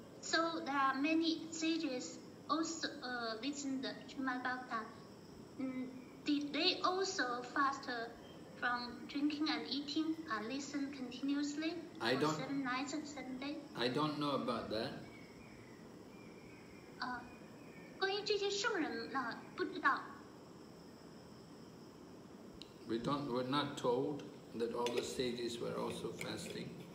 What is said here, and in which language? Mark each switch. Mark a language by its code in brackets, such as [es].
[en] So there are many sages also listened Srimad Bhagavatam. Did they also fast from drinking and eating and listen continuously for 7 nights and 7 days? I don't know about that. [zh] 关于这些圣人呢，不知道。 [en] We're not told that all the sages were also fasting.